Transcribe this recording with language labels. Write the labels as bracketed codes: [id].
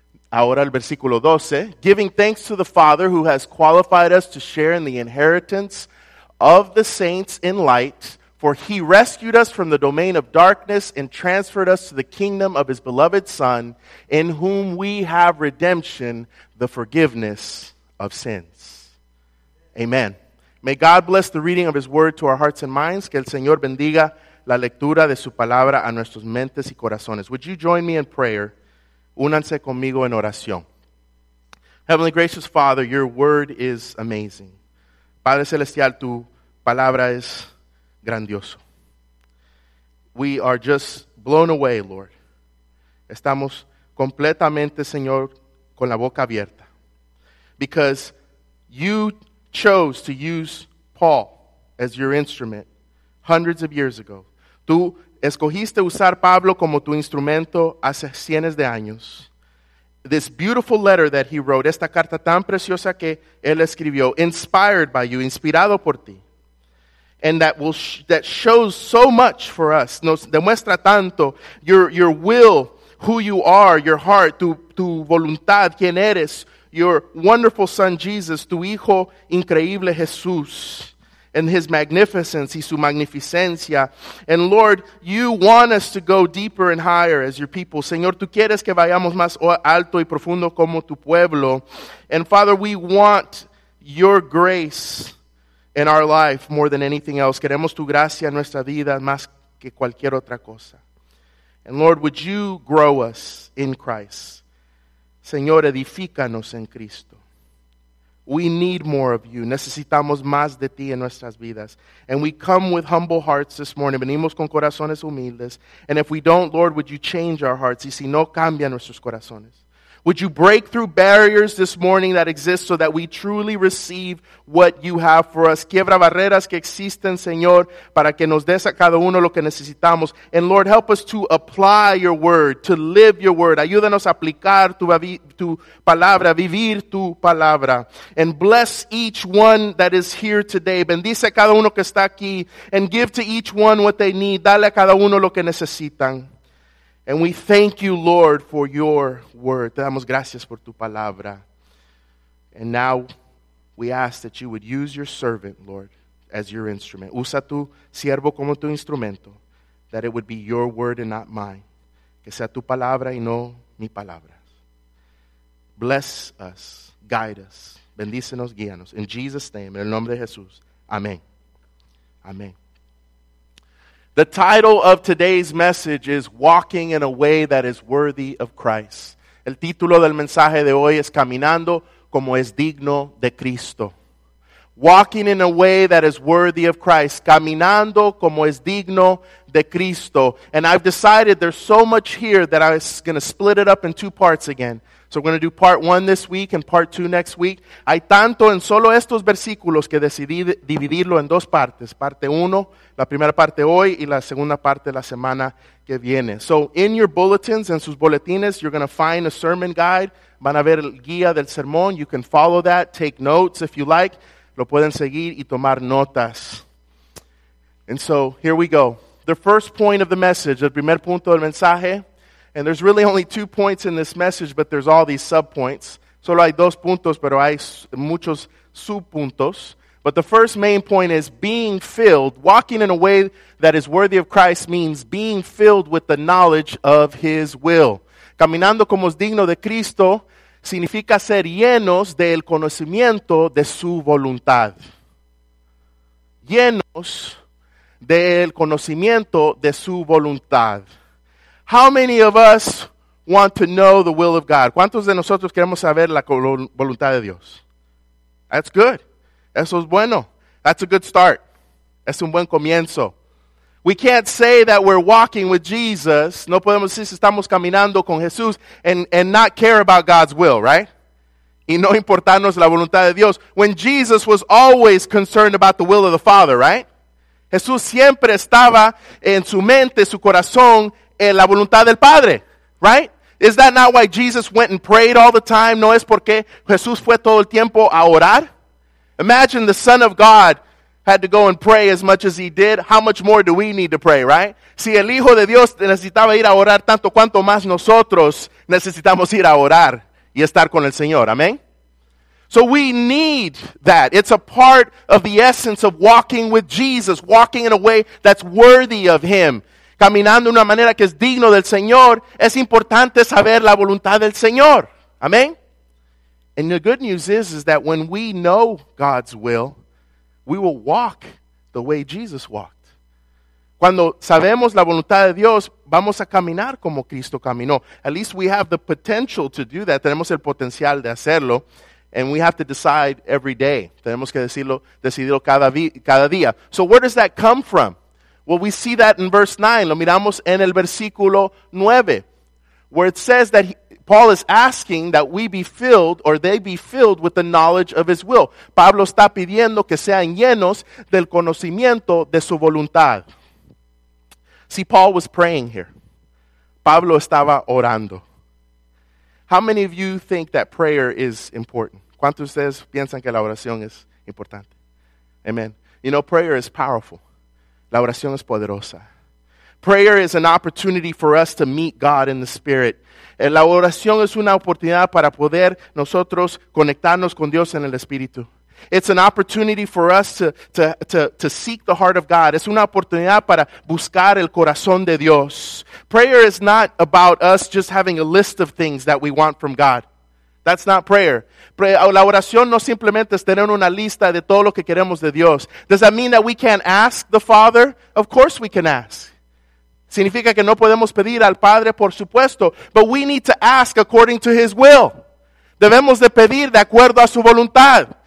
[es] Ahora el versículo 12. [en] Giving thanks to the Father who has qualified us to share in the inheritance of the saints in light. For he rescued us from the domain of darkness and transferred us to the kingdom of his beloved Son, in whom we have redemption, the forgiveness of sins. Amen. May God bless the reading of his word to our hearts and minds. [es] Que el Señor bendiga la lectura de su palabra a nuestras mentes y corazones. [en] Would you join me in prayer? [es] Únanse conmigo en oración. [en] Heavenly gracious Father, your word is amazing. [es] Padre Celestial, tu palabra es grandioso. [en] We are just blown away, Lord. [es] Estamos completamente, Señor, con la boca abierta. [en] Because you chose to use Paul as your instrument hundreds of years ago. [es] Tú escogiste usar Pablo como tu instrumento hace cientos de años. [en] This beautiful letter that he wrote, [es] esta carta tan preciosa que él escribió, [en] inspired by you, [es] inspirado por ti. [en] And that shows so much for us. [es] Nos demuestra tanto [en] your will, who you are, your heart, [es] tu voluntad, quién eres. [en] Your wonderful son Jesus, [es] tu hijo increíble Jesús, [en] and his magnificence [es] y su magnificencia. [en] And Lord, you want us to go deeper and higher as your people. [es] Señor, tú quieres que vayamos más alto y profundo como tu pueblo. [en] And Father, we want your grace in our life more than anything else. [es] Queremos tu gracia en nuestra vida más que cualquier otra cosa. [en] And Lord, would you grow us in Christ? [es] Señor, edifícanos en Cristo. [en] We need more of you. [es] Necesitamos más de ti en nuestras vidas. [en] And we come with humble hearts this morning. [es] Venimos con corazones humildes. [en] And if we don't, Lord, would you change our hearts? [es] Y si no, cambia nuestros corazones. [en] Would you break through barriers this morning that exist so that we truly receive what you have for us? [es] Quiebra barreras que existen, Señor, para que nos des a cada uno lo que necesitamos. [en] And Lord, help us to apply your word, to live your word. [es] Ayúdanos a aplicar tu palabra, vivir tu palabra. [en] And bless each one that is here today. [es] Bendice a cada uno que está aquí. [en] And give to each one what they need. [es] Dale a cada uno lo que necesitan. [en] And we thank you, Lord, for your word. [es] Te damos gracias por tu palabra. [en] And now we ask that you would use your servant, Lord, as your instrument. [es] Usa tu siervo como tu instrumento. [en] That it would be your word and not mine. [es] Que sea tu palabra y no mi palabra. [en] Bless us. Guide us. [es] Bendícenos, guíanos. [en] In Jesus' name, [es] en el nombre de Jesús. Amén. Amén. [en] The title of today's message is Walking in a Way That is Worthy of Christ. [es] El título del mensaje de hoy es Caminando como es digno de Cristo. [en] walking in a way that is worthy of Christ, [es] caminando como es digno de Cristo. [en] And I've decided there's so much here that I was going to split it up in two parts again. So we're going to do part one this week and part two next week. [es] Hay tanto en solo estos versículos que decidí dividirlo en dos partes. Parte uno, la primera parte hoy, y la segunda parte la semana que viene. [en] So in your bulletins, [es] en sus boletines, [en] you're going to find a sermon guide. [es] Van a ver el guía del sermón. [en] You can follow that. Take notes if you like. [es] Lo pueden seguir y tomar notas. [en] And so here we go. The first point of the message, [es] el primer punto del mensaje. [en] And there's really only two points in this message, but there's all these sub-points. [es] Solo hay dos puntos, pero hay muchos sub-puntos. [en] But the first main point is being filled. Walking in a way that is worthy of Christ means being filled with the knowledge of His will. [es] Caminando como es digno de Cristo significa ser llenos del conocimiento de su voluntad. Llenos del conocimiento de su voluntad. [en] How many of us want to know the will of God? [es] ¿Cuántos de nosotros queremos saber la voluntad de Dios? [en] That's good. [es] Eso es bueno. [en] That's a good start. [es] Es un buen comienzo. [en] We can't say that we're walking with Jesus. [es] No podemos decir si estamos caminando con Jesús [en] and not care about God's will, right? [es] Y no importarnos la voluntad de Dios. [en] When Jesus was always concerned about the will of the Father, right? [es] Jesús siempre estaba en su mente, su corazón, en la voluntad del Padre, right? [en] Is that not why Jesus went and prayed all the time? [es] ¿No es porque Jesús fue todo el tiempo a orar? [en] Imagine the Son of God had to go and pray as much as He did. How much more do we need to pray, right? [es] Si el Hijo de Dios necesitaba ir a orar tanto, cuanto más nosotros necesitamos ir a orar y estar con el Señor, amén? [en] So we need that. It's a part of the essence of walking with Jesus, walking in a way that's worthy of Him. [es] Caminando de una manera que es digno del Señor, es importante saber la voluntad del Señor. Amén. [en] And the good news is that when we know God's will walk the way Jesus walked. [es] Cuando sabemos la voluntad de Dios, vamos a caminar como Cristo caminó. [en] At least we have the potential to do that. [es] Tenemos el potencial de hacerlo. [en] And we have to decide every day. [es] Tenemos que decidirlo cada día. [en] So where does that come from? Well, we see that in verse 9. [es] Lo miramos en el versículo 9, [en] where it says that Paul is asking that we be filled, or they be filled, with the knowledge of His will. [es] Pablo está pidiendo que sean llenos del conocimiento de su voluntad. [en] See, Paul was praying here. [es] Pablo estaba orando. [en] How many of you think that prayer is important? [es] ¿Cuántos de ustedes piensan que la oración es importante? [en] Amen. You know, prayer is powerful. [es] La oración es poderosa. [en] Prayer is an opportunity for us to meet God in the Spirit. [es] La oración es una oportunidad para poder nosotros conectarnos con Dios en el Espíritu. [en] It's an opportunity for us to seek the heart of God. [es] Es una oportunidad para buscar el corazón de Dios. [en] Prayer is not about us just having a list of things that we want from God. That's not prayer. [es] La oración no simplemente es tener una lista de todo lo que queremos de Dios. [en] Does that mean that we can't ask the Father? Of course we can ask. [es] ¿Significa que no podemos pedir al Padre? Por supuesto. [en] But we need to ask according to His will. [es] Debemos de pedir de acuerdo a su voluntad.